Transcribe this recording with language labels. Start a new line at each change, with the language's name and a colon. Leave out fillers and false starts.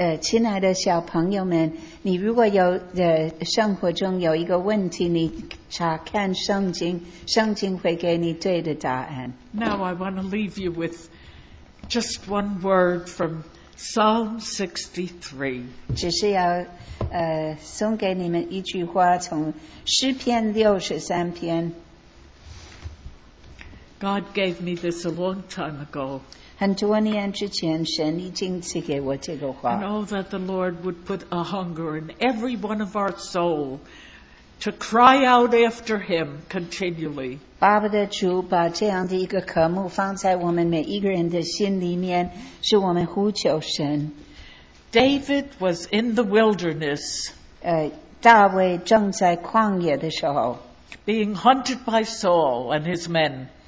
Chinese: 亲爱的小朋友们，你如果有生活中有一个问题，你查看圣经，圣经会给你对的答案。
English: Now I want to leave you with just one word from. Psalm 63.
Chinese: 只是要送给你们一句话，从诗篇六十三篇。
English: God gave me this a long time ago.
Chinese: 很多年之前，神已经赐给我这个话。
English: And oh, that the Lord would put a hunger in every one of our soul to cry out after Him continually.
Chinese: 巴不得主把这样的一个渴慕放在我们每一个人的心里面，使我们呼求神。
English: David was in the wilderness.
Chinese: 大卫正在旷野的时候
English: being hunted by Saul and his men.